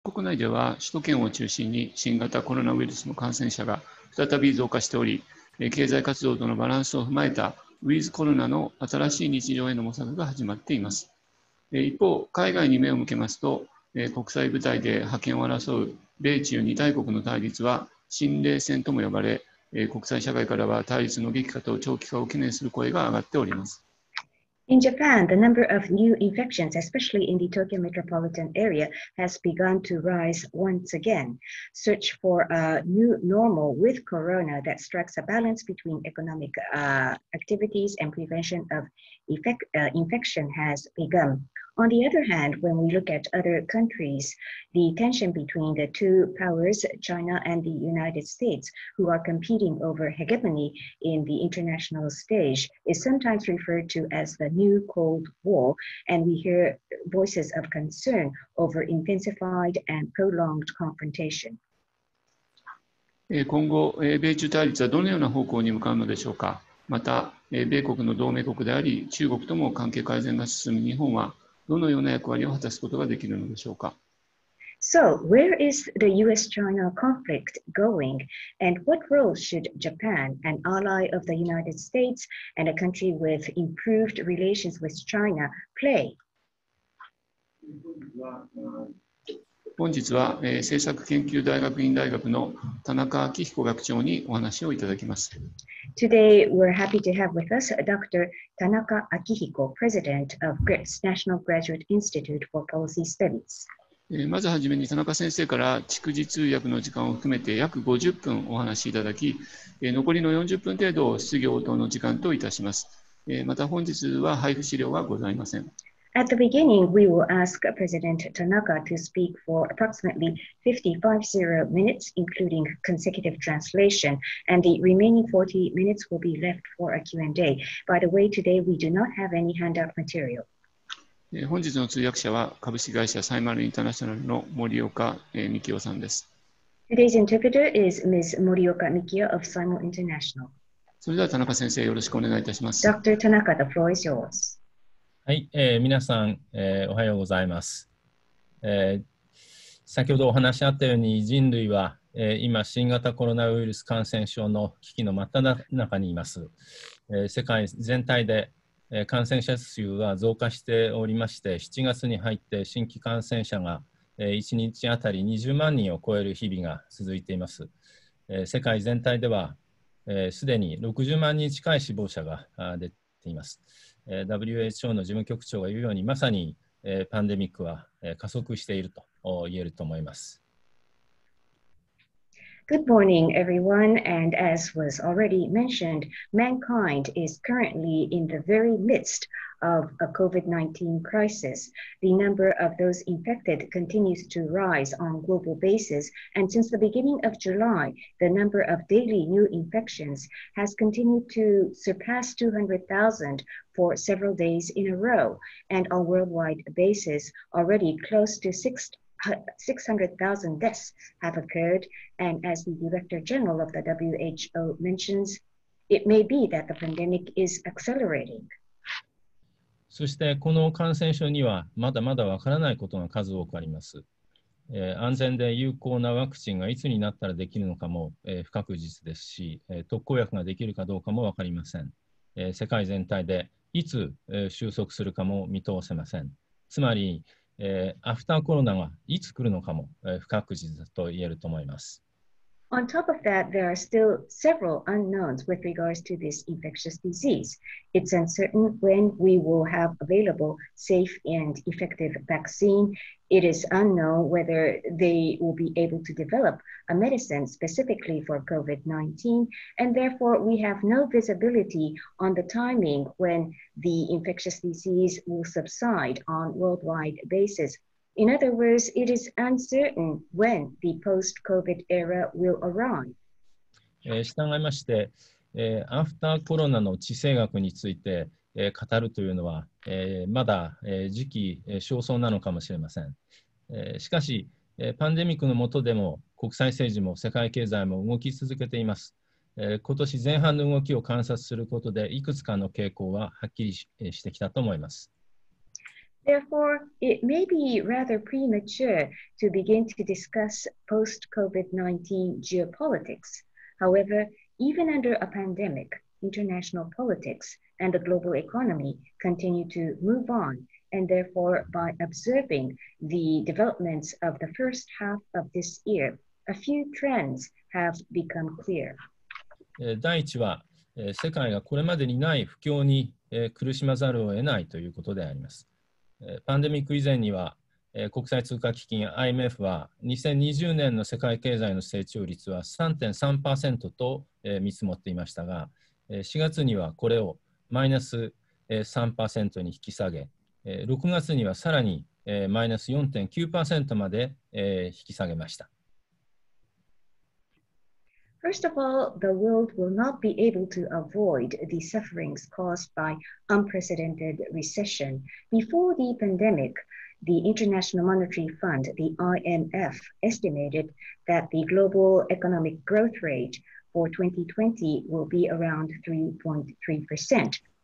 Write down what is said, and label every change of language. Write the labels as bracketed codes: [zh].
[ja] 国内では首都圏を中心に新型コロナウイルスの感染者が再び増加しており、経済活動とのバランスを踏まえたウィズコロナの新しい日常への模索が始まっています。一方、海外に目を向けますと、国際舞台で覇権を争う米中二大国の対立は新冷戦とも呼ばれ、国際社会からは対立の激化と長期化を懸念する声が上がっております。 [en] In Japan, the number of new infections, especially in the Tokyo metropolitan area, has begun to rise once again. Search for a new normal with corona that strikes a balance between economic activities and prevention of infection has begun. On the other hand, when we look at other countries, the tension between the two powers, China and the United States, who are competing over hegemony in the international stage, is sometimes referred to as the new Cold War, and we hear voices of concern over intensified and prolonged confrontation. [ja] 今後、米中対立はどのような方向に向かうのでしょうか。また、米国の同盟国であり、中国とも関係改善が進む日本は、どのような役割を果たすことができるのでしょうか。 [en] So, where is the US-China conflict going? And what role should Japan, an ally of the United States and a country with improved relations with China, play? [ja] 本日は、政策研究大学院大学の田中明彦学長にお話をいただきます。 [en] Today, we're happy to have with us Dr. Tanaka Akihiko, President of GRITS, National Graduate Institute for Policy Studies. [ja] まずはじめに田中先生から逐次通訳の時間を含めて約50分お話しいただき、残りの40分程度を質疑応答の時間といたします。また本日は配布資料はございません。 [en] At the beginning, we will ask President Tanaka to speak for approximately 550 minutes, including consecutive translation, and the remaining 40 minutes will be left for a Q&A. By the way, today we do not have any handout material. [ja] 本日の通訳者は株式会社サイマルインターナショナルの森岡美希夫さんです。 [en] Today's interpreter is Ms. 森岡美希夫 of Simo International. [ja] それでは田中先生、よろしくお願いいたします。 [en] Dr. Tanaka, the floor is yours. [ja] はい、皆さん、おはようございます。先ほどお話しあったように、人類は、今新型コロナウイルス感染症の危機の真っただ中にいます。世界全体で、感染者数は増加しておりまして、7月に入って新規感染者が、1日あたり20万人を超える日々が続いています。世界全体では、すでに60万人近い死亡者が出ています。 WHO の事務局長が言うように、まさに、パンデミックは、加速していると言えると思います。 [en] Good morning, everyone. And as was already mentioned, mankind is currently in the very midst of a COVID-19 crisis. The number of those infected continues to rise on a global basis. And since the beginning of July, the number of daily new infections has continued to surpass 200,000 for several days in a row. And on a worldwide basis, already close to 600,000 deaths have occurred. And as the Director General of the WHO mentions, it may be that the pandemic is accelerating. [ja] そしてこの感染症にはまだまだ分からないことが数多くあります。安全で有効なワクチンがいつになったらできるのかも、不確実ですし、特効薬ができるかどうかも分かりません。世界全体でいつ、収束するかも見通せません。つまり、アフターコロナがいつ来るのかも、不確実と言えると思います。 [en] On top of that, there are still several unknowns with regards to this infectious disease. It's uncertain when we will have available safe and effective vaccine. It is unknown whether they will be able to develop a medicine specifically for COVID-19, and therefore we have no visibility on the timing when the infectious disease will subside on a worldwide basis. In other words, it is uncertain when the post-COVID era will arrive. [ja] 従いまして、アフターコロナの致死学について語るというのは、まだ時期尚早なのかもしれません。しかし、パンデミックの下でも国際政治も世界経済も動き続けています。今年前半の動きを観察することで、いくつかの傾向ははっきりしてきたと思います。 [en] Therefore, it may be rather premature to begin to discuss post-COVID-19 geopolitics. However, even under a pandemic, international politics and the global economy continue to move on, and therefore by observing the developments of the first half of this year, a few trends have become clear. [ja] 第一は、世界がこれまでにない不況に、苦しまざるを得ないということであります。パンデミック以前には、国際通貨基金 IMF は2020年の世界経済の成長率は 3.3% と、見積もっていましたが、4月にはこれをマイナス 3% に引き下げ、6月にはさらに、マイナス 4.9% まで、引き下げました。 [en] First of all, the world will not be able to avoid the sufferings caused by unprecedented recession. Before the pandemic, the International Monetary Fund, the IMF, estimated that the global economic growth rate for 2020 will be around 3.3%.